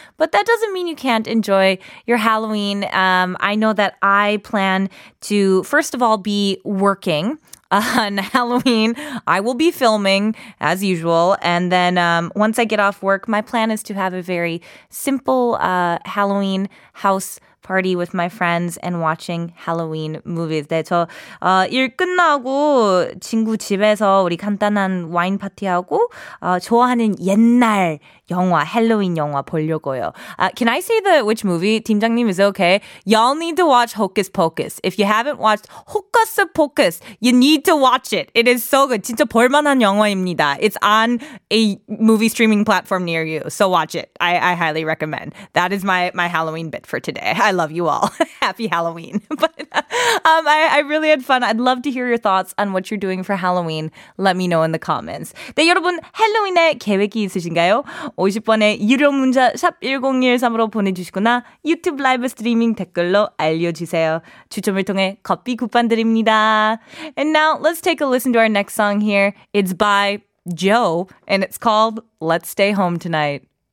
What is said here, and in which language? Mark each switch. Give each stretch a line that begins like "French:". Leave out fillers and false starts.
English: But that doesn't mean you can't enjoy your Halloween. I know that I plan to, first of all, be working on Halloween. I will be filming, as usual. And then once I get off work, my plan is to have a very simple Halloween house party with my friends and watching Halloween movies.
Korean: 네, 저 일 끝나고 친구 집에서 우리 간단한 와인 파티하고 좋아하는 옛날 영화, 할로윈 영화 보려고요.
English: Can I say the which movie? 팀장님, is it okay? Y'all need to watch Hocus Pocus. If you haven't watched Hocus Pocus, you need to watch it. It is so good.
Korean: 진짜 볼만한 영화입니다.
English: It's on a movie streaming platform near you. So watch it. I highly recommend. That is my Halloween bit for today. I love you all. Happy Halloween. But I really had fun. I'd love to hear your thoughts on what you're doing for Halloween. Let me know in the comments.
Korean: 네, 여러분, 할로윈에 계획이 있으신가요? 50번의 유료 문자 샵 1013으로 보내주시거나 유튜브 라이브 스트리밍 댓글로 알려주세요. 추첨을 통해 커피 쿠폰 드립니다.
English: And now let's take a listen to our next song here. It's by Joe and it's called Let's Stay Home Tonight.